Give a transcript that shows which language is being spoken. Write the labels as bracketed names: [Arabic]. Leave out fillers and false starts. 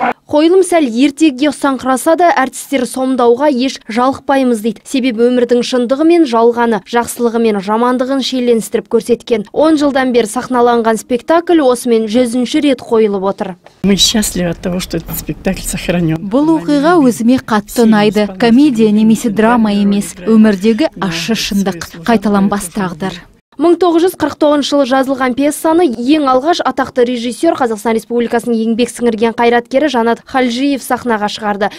[Kazakh] Қойылым сәл ертегіге ұсаңқыраса да әртістер сомдауға еш жалықпаймыз дейді. Себебі өмірдің шындығы мен жалғаны, жақсылығы мен жамандығын шиеленістіріп көрсеткен. 10 жылдан бер сахналанған спектакль осымен 100-ші рет қойылып отыр. [Russian] Мы счастливы от того, что этот спектакль сохранен. [Kazakh] Бұл оқиға өзіме қатты ұнайды. Комедия немесе драма емес, өмірдегі ащы шындық, қайталанбас тағдыр. 1949 жылы жазылған пьесаны ең алғаш атақты режиссер Қазақстан Республикасының еңбек сіңірген қайраткері Жанат Халжиев сахнаға шығарды.